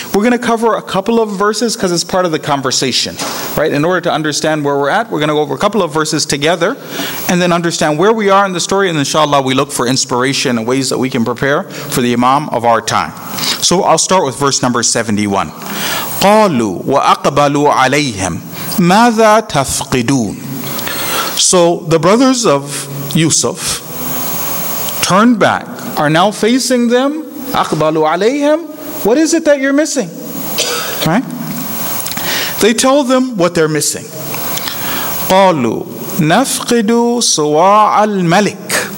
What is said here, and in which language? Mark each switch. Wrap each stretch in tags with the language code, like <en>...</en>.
<en>We're going to cover a couple of verses because it's part of the conversation, right? In order to understand where we're at, we're going to go over a couple of verses together and then understand where we are in the story. And inshallah, we look for inspiration and ways that we can prepare for the imam of our time. So I'll start with verse number 71.</en> <ar>قالوا وأقبلوا عليهم ماذا تفقدون.</ar> <en>So the brothers of Yusuf turned back, are now facing them.</en> <ar>أقبلوا عليهم.</ar> <en>What is it that you're missing? Right? They tell them what they're missing.</en> <ar>قالوا نفقد صواع الملك.</ar>